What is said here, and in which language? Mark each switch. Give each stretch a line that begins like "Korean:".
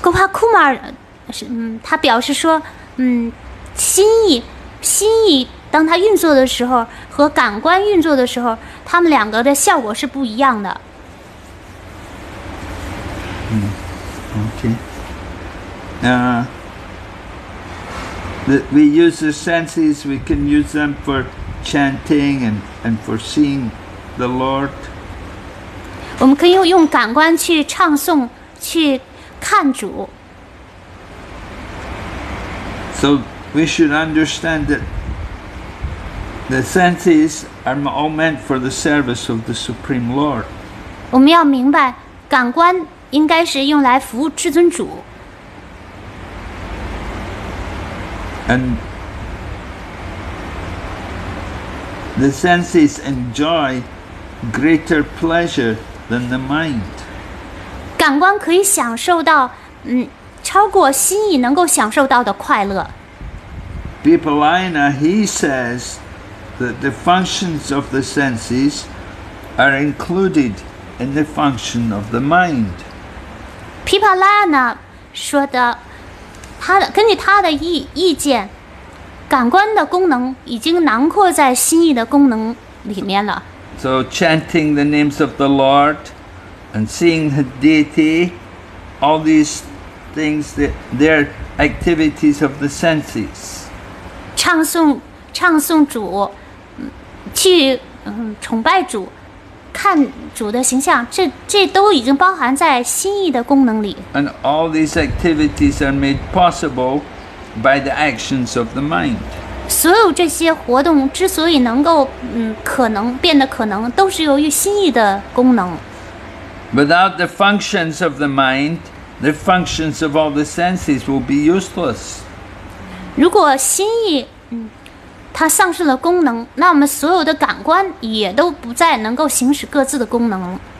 Chinese: Gopa Kumar他表示说心意当他运作的时候和感官运作的时候他们两个的效果是不一样的。
English: We use the senses, we can use them for chanting and for seeing the Lord.
Chinese: 我们可以用感官去唱诵去看主。
English: So we should understand that the senses are all meant for the service of the Supreme Lord.
Chinese: 我们要明白感官应该是用来服务至尊主。
English: And the senses enjoy greater pleasure than the mind.
Chinese: 感官可以享受到超过心意能够享受到的快乐。
English: Bipalina, he says that the functions of the senses are included in the function of the mind.
Chinese: Bipalina 说的根据他的意见感官的功能已经囊括在心意的功能里面了。
English: So chanting the names of the Lord and seeing the deity, all these things, they're activities of the senses.
Chinese: 唱诵主，去崇拜主，看主的形象，这都已经包含在心意的功能里。
English: And all these activities are made possible by the actions of the mind.
Chinese: 所有这些活动之所以能够可能变得可能，都是由于心意的功能。
English: Without the functions of the mind, the functions of all the senses will be useless.
Chinese: 如果心意它丧失了功能，那我们所有的感官也都不再能够行使各自的功能。